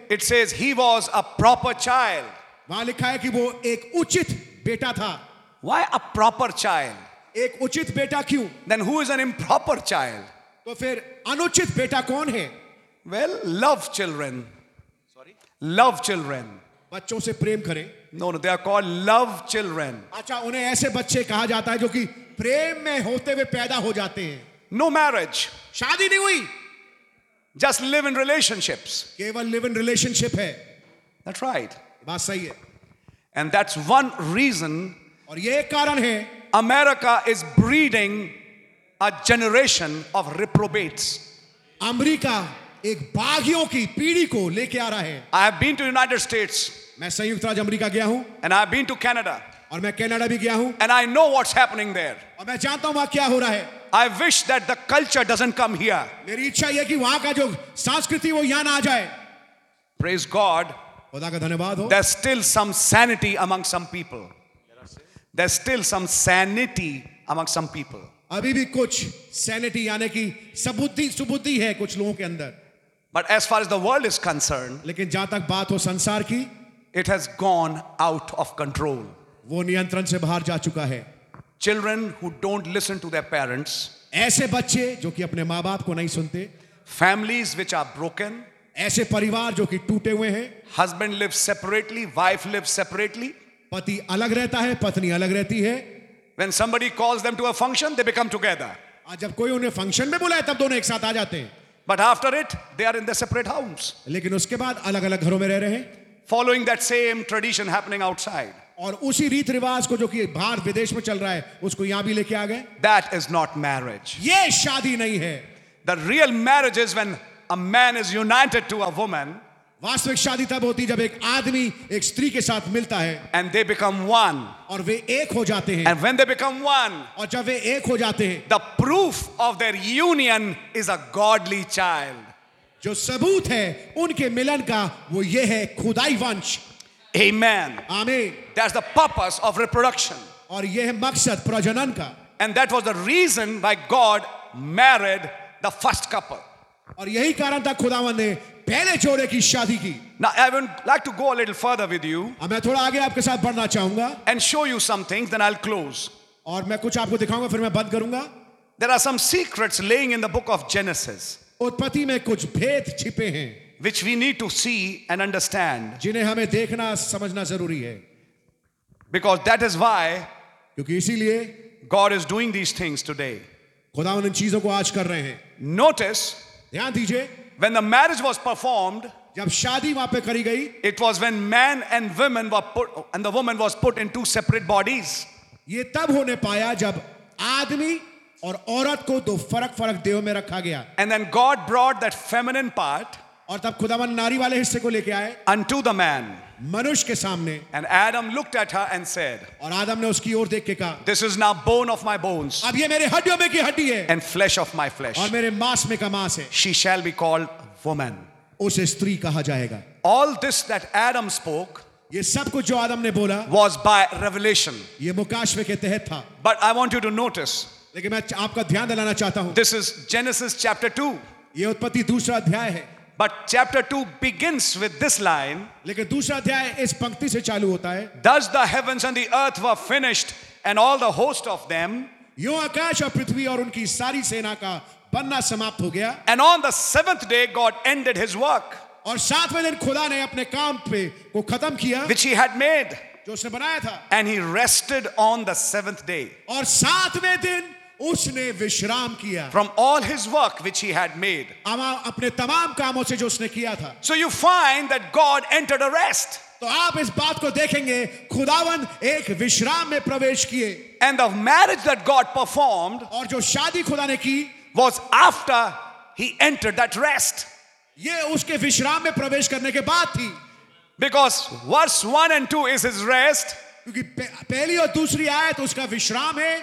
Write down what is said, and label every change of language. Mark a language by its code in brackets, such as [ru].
[en] it says he was a proper child. [hi] वहाँ लिखा है कि वो एक उचित बेटा था. [en] Why a proper child? [hi] एक उचित बेटा क्यों? [en] Then who is an improper child? [hi] तो फिर अनुचित बेटा कौन है? [en] Well, love children. Sorry, love children. [hi] बच्चों से प्रेम करें. [en] No, they are called love children. [hi] अच्छा, उन्हें ऐसे बच्चे कहा जाता है जो कि प्रेम में होते हुए पैदा हो जाते हैं. [en] No marriage. [hi] शादी नहीं हुई. [en] Just live in relationships. [hi] केवल [en] live in relationship [hi] है. [en] That's right. [hi] बात सही है. [en] And that's one reason. [hi] और ये एक कारण है. [en] America is breeding a generation of reprobates. [hi] America एक बागियों की पीढ़ी को लेके आ रहा है. [en] I have been to United States. [hi] मैं संयुक्त राज्य अमेरिका गया हूँ. [en] And I have been to Canada. [hi] और मैं कनाडा भी गया हूँ. [en] And I know what's happening there. [hi] और मैं जानता हूँ वहाँ क्या हो रहा है. [en] I wish that the culture doesn't come here. [hi] मेरी इच्छा यह कि वहाँ का जो संस्कृति वो यहाँ ना जाए. [en] Praise God. [hi] खुदा का धन्यवाद हो. [en] There's still some sanity among some people. There's still some sanity among some people. [hi] अभी भी कुछ sanity यानी कि सुबुद्धि है कुछ लोगों के अंदर. [en] But as far as the world is concerned, [hi] लेकिन जहाँ तक बात हो संसार की, [en] it has gone out of control. [hi] वो नियंत्रण से बाहर जा चुका है. [en] Children who don't listen to their parents, [hi] ऐसे बच्चे जो कि अपने माँबाप को नहीं सुनते. [en] Families which are broken, [hi] ऐसे परिवार जो कि टूटे हुए हैं. [en] Husband lives separately, wife lives separately. [hi] पति अलग रहता है, पत्नी अलग रहती है. [en] When somebody calls them to a function, they become together. [hi] आज जब कोई उन्हें function में बुलाए तब दोनों एक साथ आ जाते हैं. [en] But after it, they are in their separate homes. [hi] लेकिन उसके बाद अलग-अलग घरों में रह रहे हैं. [en] Following that same tradition happening outside. [hi] और उसी रीत रिवाज को जो कि बाहर विदेश में चल रहा है उसको यहां भी लेके आ गए. [en] That is not marriage. [hi] ये शादी नहीं है. [en] The real marriage is when a man is united to a woman. [hi] वास्तविक शादी तब होती जब एक आदमी एक स्त्री के साथ मिलता है. [en] And they become one. [hi] और वे एक हो जाते हैं. [en] And when they become one. [hi] और जब वे एक हो जाते हैं. [en] The proof of their union is a godly child. [hi] जो सबूत है उनके मिलन का वो ये है खुदाई वंश. [en] Amen. Amen. That's the purpose of reproduction. [hi] और ये है मकसद प्रजनन का. [en] And that was the reason why God married the first couple. [hi] और यही कारण था खुदावंद ने पहले जोड़े की शादी की. [en] Now I would like to go a little further with you. [hi] अब मैं थोड़ा आगे आपके साथ बढ़ना चाहूंगा. [en] And show you some things, then I'll close. [hi] और मैं कुछ आपको दिखाऊंगा फिर मैं बंद करूंगा. [en] There are some secrets laying in the book of Genesis. [hi] उत्पत्ति में कुछ भेद छिपे हैं. [en] Which we need to see and understand. [hi] जिन्हें हमें देखना समझना जरूरी है. [en] Because that is why. [hi] क्योंकि इसीलिए. [en] God is doing these things today. [hi] खुदावंद इन चीजों को आज कर रहे हैं. [en] Notice. [hi] ध्यान दीजिए. [en] When the marriage was performed. [hi] जब शादी वहाँ पे करी गई. [en] It was when man and woman were put and the woman was put in two separate bodies. [hi] ये तब होने पाया जब आदमी और औरत को दो फरक देहों में रखा गया. [en] And then God brought that feminine part. [hi] और तब खुदावंद नारी वाले हिस्से को लेके आए. [en] Unto the man. [hi] मनुष्य के सामने. [en] And Adam looked at her and said. [hi] और आदम ने उसकी ओर देख के कहा. [en] This is now bone of my bones. [hi] अब ये मेरे हड्डियों में की हड्डी है. [en] And flesh of my flesh. [hi] और मेरे मांस में का मांस है. [en] She shall be called woman. [hi] उसे स्त्री कहा जाएगा. [en] All this that Adam spoke. [hi] ये सब कुछ जो आदम ने बोला. [en] Was by revelation. [hi] ये मुकाशवे के तहत था. [en] But I want you to notice. [hi] लेकिन मैं आपका ध्यान दिलाना चाहता हूँ. [en] This is Genesis chapter 2. [hi] ये उत्पत्ति दूसरा अध्याय है. [en] But chapter 2 begins with this line. [hi] लेकिन दूसरा अध्याय इस पंक्ति से चालू होता है. [en] Thus the heavens and the earth were finished, and all the host of them. [hi] यो आकाश और पृथ्वी और उनकी सारी सेना का बनना समाप्त हो गया. [en] And on the seventh day, God ended His work. [hi] और सातवें दिन खुदा ने अपने काम पे को खत्म किया. [en] Which He had made. [hi] जो उसने बनाया था. [en] And He rested on the seventh day. [hi] और सातवें दिन उसने विश्राम किया. [en] From all his work which he had made. [hi] अपने तमाम कामों से जो उसने किया था. [en] So you find that God entered a rest. [hi] तो आप इस बात को देखेंगे खुदावंद एक विश्राम में प्रवेश किए. [en] And the marriage that God performed. [hi] और जो शादी खुदा ने की. [en] Was after he entered that rest. [hi] ये उसके विश्राम में प्रवेश करने के बाद थी. [en] Because verse 1 and 2 is his rest. [hi] क्योंकि पहली और दूसरी आयत उसका विश्राम है.